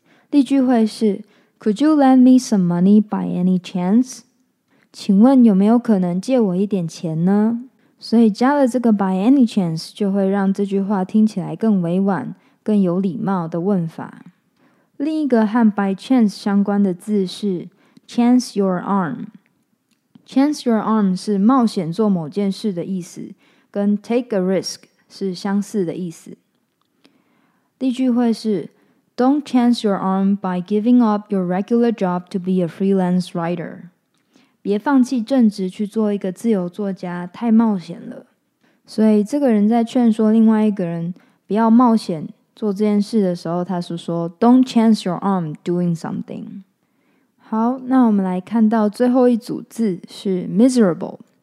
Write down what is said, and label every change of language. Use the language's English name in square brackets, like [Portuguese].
[Chinese] 例句会是 [English] Could you lend me some money by any chance? [Chinese] 请问有没有可能借我一点钱呢？所以加了这个 by any chance 就会让这句话听起来更委婉、更有礼貌的问法。另一个和 by chance 相关的字是 chance your arm。 chance your arm 是冒险做某件事的意思，跟 take a risk 是相似的意思。例句会是 [English] Don't chance your arm by giving up your regular job to be a freelance writer. [Chinese] 别放弃正职去做一个自由作家，太冒险了。所以这个人在劝说另外一个人不要冒险做这件事的时候，他是说 [English] Don't chance your arm doing something. [Chinese] 好，那我们来看到最后一组字是 miserable.